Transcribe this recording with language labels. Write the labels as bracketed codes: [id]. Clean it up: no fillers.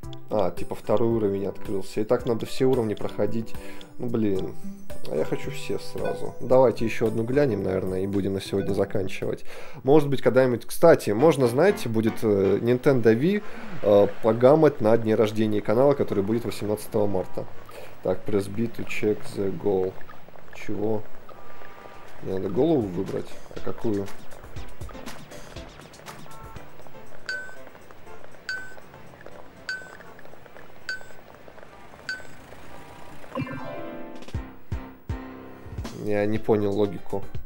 [ru] А, типа второй уровень открылся. И так надо все уровни проходить. Ну, блин. А я хочу все сразу. Давайте еще одну глянем, наверное, и будем на сегодня заканчивать. Может быть, когда-нибудь... Кстати, можно, знаете, будет Nintendo Wii погамать на дне рождения канала, который будет 18 марта. [en] Так, press B to check the goal. [ru] Чего? Мне надо голову выбрать. А какую? Я не понял логику.